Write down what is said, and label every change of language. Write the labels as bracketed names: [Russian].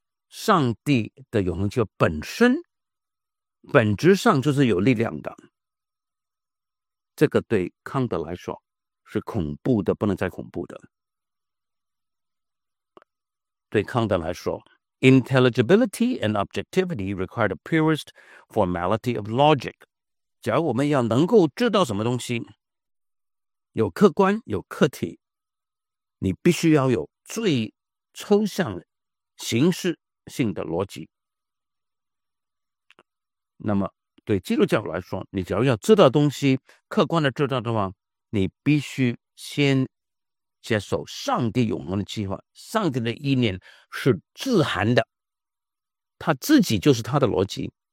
[Chinese] 上帝的永恒计划本身，本质上就是有力量的。这个对康德来说是恐怖的，不能再恐怖的。对康德来说， [English] Intelligibility and objectivity require the purest formality of logic. [Chinese] 假如我们要能够知道什么东西，有客观，有客体，你必须要有最抽象形式性的逻辑。那么对基督教来说，你只要要知道东西，客观的知道的话，你必须先接受上帝永恒的计划，上帝的意念是自含的，他自己就是他的逻辑，